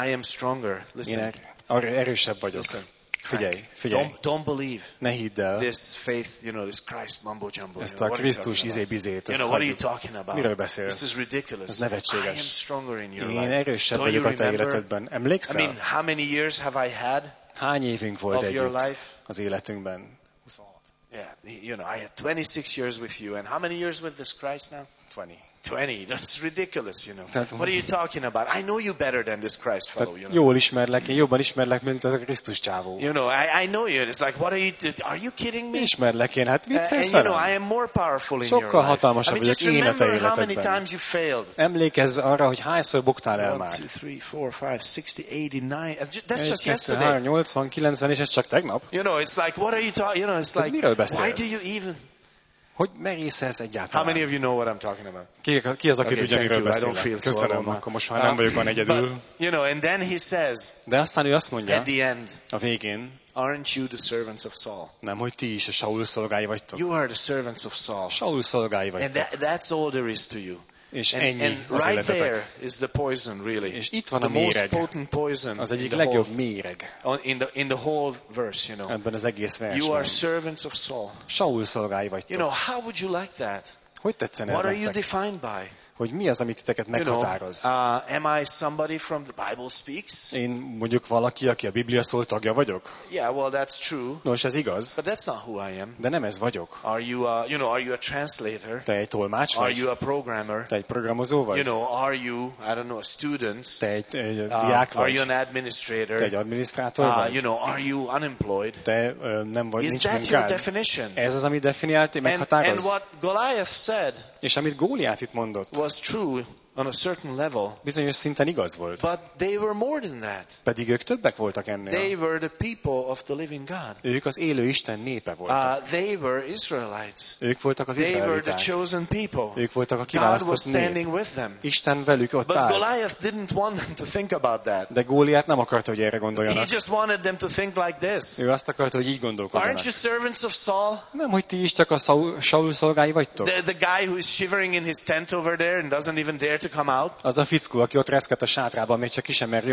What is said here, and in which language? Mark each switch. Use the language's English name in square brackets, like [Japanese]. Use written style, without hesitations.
[English] I am stronger. Listen. [Hungarian] Én erősebb vagyok. [English] Listen. [Hungarian] Figyelj. [English] Don't believe. [Hungarian] Ne hidd el. [English] This faith, you know, this Christ mumbo jumbo. [Hungarian] Ezt a Krisztus izébizét. [English] You know, what are you talking about? [Hungarian] Miről beszélsz? [English] This is ridiculous. [Hungarian] Ez nevetséges. [English] I am stronger in your life. [Hungarian] Én erősebb vagyok a te életedben. Emlékszel? [English] I mean, how many years have I had? [Hungarian] Hány évünk volt együtt? [English] Of your life? [Hungarian] Az életünkben. 26. [English] Yeah, you know, I had 26 years with you, and how many years with this Christ now? 20. 20. That's ridiculous, you know. What are you talking about? I know you better than this Christ fellow, you know. [Hungarian] Jól ismerlek, én jobban ismerlek, mint ez a Krisztus csávó. [English] You know, I know you. It's like, what are you? Are you kidding me? [Hungarian] Ismerlek én, hát viccelsz velem. [English] And you know, I am more powerful in your life. [Hungarian] Sokkal hatalmasabb vagyok én a te életedben. [English] How many times you failed? [Hungarian] Emlékezz arra, hogy hányszor buktál el már. [English] 1, 2, 3, 4, 5, 6, 8, 9. That's just yesterday. [Hungarian] 80, 90, és ez csak tegnap. [English] You know, it's like, what are you talking? You know, it's like, why do you even? [Hungarian] Hogy merész ez egyáltalán? [English] How many of you know what I'm talking about? [Hungarian] Ki az, aki tudja, miről beszélek? [English] I don't feel [Hungarian] köszönöm, [English] so alone. [Hungarian] Akkor most már nem vagyok van egyedül. [English] But, you know, and then he says, [Hungarian] de aztán ő azt mondja, [English] at the end, [Hungarian] a végén, [English] aren't you the servants of Saul? [Hungarian] Nem, hogy ti is a Saul szolgái vagytok. [English] You are the servants of Saul. [Hungarian] Saul szolgái vagytok. [English] And that's all there is to you. [Hungarian] És [English] and, [Hungarian] ennyi [English] and [Hungarian] az [English] right [Hungarian] életetek. [English] There is the poison, really. [Hungarian] És itt van [English] the [Hungarian] a méreg. [English] The most potent poison. [Hungarian] Az egyik legjobb méreg. [English] In the whole verse, you know. [Hungarian] Ebben az egész versben. [English] You are servants of Saul. [Hungarian] Saul szolgái vagytok. [English] You know, how would you like that? [Hungarian] Hogy tetszene ez nektek? [English] What are you defined by? [Hungarian] Hogy mi az, amit titeket meghatároz? [English] You know, am I somebody from the Bible speaks? [Hungarian] Én mondjuk valaki, aki a Biblia szól tagja vagyok? [English] Yeah, well that's true. [Hungarian] Nos, ez igaz. [English] But that's not who I am. [Hungarian] De nem ez vagyok. [English] Are you a, you know, are you a translator? [Hungarian] Te egy tolmács vagy? [English] Are you a programmer? [Hungarian] Te egy programozó vagy? [English] You know, are you, I don't know, a student? [Hungarian] Te egy diák vagy? [English] Are you an administrator? [Hungarian] Te egy adminisztrátor vagy? [English] You know, are you unemployed? [Hungarian] Te nem vagy, [English] is [Hungarian] nincs [English] that [Hungarian] munkád. [English] Your definition? [Hungarian] Ez az, ami definiált, meghatároz. [English] And what Goliath said? [Hungarian] És amit Góliát itt mondott? [English] Was true on a certain level. [Hungarian] Bizonyos szinten igaz volt. [English] But they were more than that. [Hungarian] Pedig ők többek voltak ennél. [English] They were the people of the living God. [Hungarian] Ők az élő Isten népe voltak. [English] They were Israelites. [Hungarian] Ők voltak az izraeliták. [English] They were the chosen people. [Hungarian] Ők voltak a kiválasztott nép. [English] God was standing with them. [Hungarian] Isten velük ott áll. [English] But Goliath didn't want them to think about that. [Hungarian] De Góliát nem akarta, hogy erre gondoljanak. [English] He just wanted them to think like this. [Hungarian] Ő azt akarta, hogy így gondolkodjanak. [English] Aren't you servants of Saul? [Hungarian] Nem, hogy ti is csak a Saul szolgái vagytok. [English] The guy who is shivering in his tent over there and doesn't even dare to come out. [Hungarian] Az a fickó, aki ott reszket a sátrában, még csak ki sem mer jönni.